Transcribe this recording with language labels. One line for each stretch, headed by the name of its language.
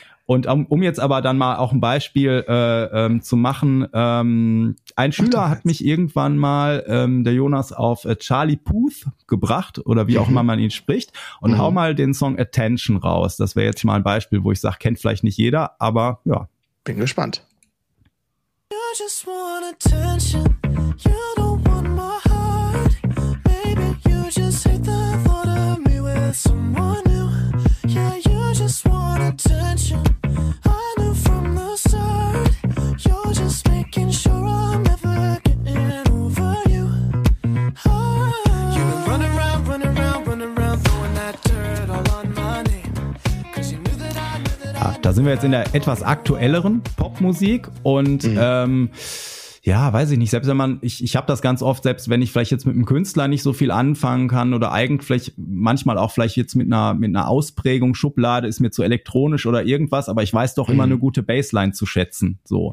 German: Und um jetzt aber dann mal auch ein Beispiel zu machen, ein Schüler hat mich irgendwann mal, der Jonas, auf Charlie Puth gebracht oder wie auch immer man ihn spricht. Und hau mal den Song Attention raus. Das wäre jetzt mal ein Beispiel, wo ich sage, kennt vielleicht nicht jeder, aber ja. Bin gespannt.
English: You just want attention. You don't want my heart. Maybe you just hate the thought of me with someone new. Yeah, you just want attention. I knew from the start. You're just making sure I'm never getting over you. Oh. You've been running around, running around, running around, throwing that dirt all on my name. Cause you knew that I knew that I knew.
German: Da sind wir jetzt in der etwas aktuelleren Musik und ja, weiß ich nicht, selbst wenn man, ich habe das ganz oft, selbst wenn ich vielleicht jetzt mit einem Künstler nicht so viel anfangen kann oder eigentlich manchmal auch vielleicht jetzt mit einer Ausprägung, Schublade ist mir zu elektronisch oder irgendwas, aber ich weiß doch immer eine gute Bassline zu schätzen, so.